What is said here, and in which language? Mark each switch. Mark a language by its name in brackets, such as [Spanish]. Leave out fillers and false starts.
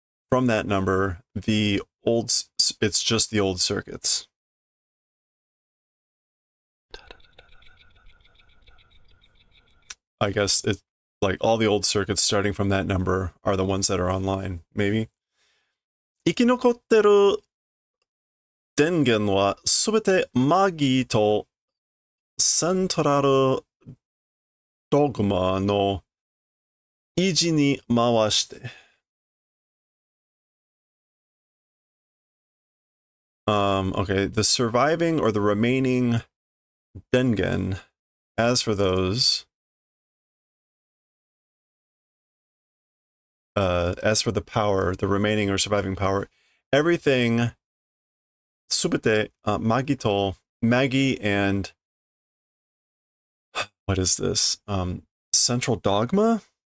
[English] From that number, it's just the old circuits. I guess it's like all the old circuits starting from that number are the ones that are online, maybe. [Japanese] 生き残ってる電源はすべてマギーとセントラルドグマの維持に回して。 [English] Okay, the surviving or the remaining Dengen, as for those, as for the power, the remaining or surviving power, everything, subete, Magito, Magi and, what is this, central dogma?